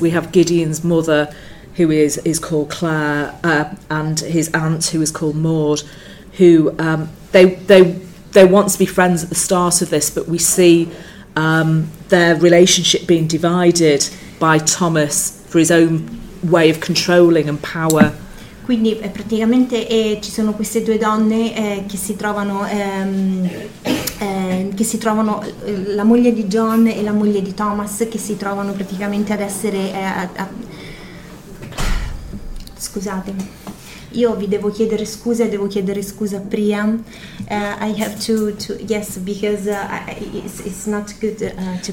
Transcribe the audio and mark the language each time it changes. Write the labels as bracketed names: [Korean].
[English] We have Gideon's mother, who is called Claire, and his aunt, who is called Maud, who they want to be friends at the start of this, but we see their relationship being divided by Thomas for his own way of controlling and power. [Italian] Quindi praticamente ci sono queste due donne che si trovano, la moglie di John e la moglie di Thomas, che si trovano praticamente ad essere scusate, io vi devo chiedere scusa, devo chiedere scusa a Priya. [English] I have to yes, because it's not good to